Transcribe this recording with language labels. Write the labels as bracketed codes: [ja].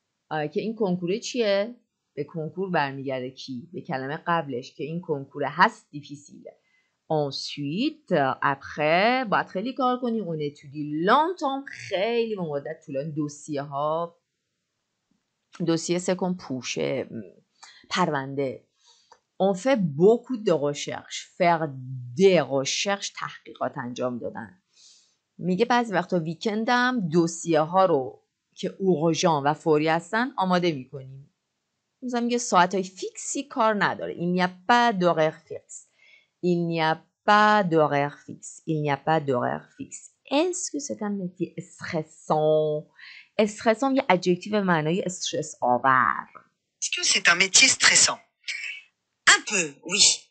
[fa] که این کنکوره چیه به کنکور برمیگرده کی به کلمه قبلش که این کنکوره هست دیفیسیل آنسویت اپخه باید خیلی کار کنی اون اتودی لانتان خیلی به مدت طولانی دوسیه ها دوسیه سکن پوشه پرونده [fr] On fait beaucoup de recherches. Faire des recherches, [fa] تحقیقات انجام دادن. میگه بعضی وقتا ویکندم دوسیه ها رو که اورژان و فوری هستن آماده میکنیم. مثلا میگه ساعت های فیکسی کار نداره. [fr] Il n'y a pas d'horaire fixe. Il n'y a pas d'horaire fixe. Il n'y a pas d'horaire fixe. Est-ce que c'est un métier stressant? [fa] Stressant یه adjectif معنای stress آور. [fr] Est-ce que c'est un métier stressant? Un peu, oui.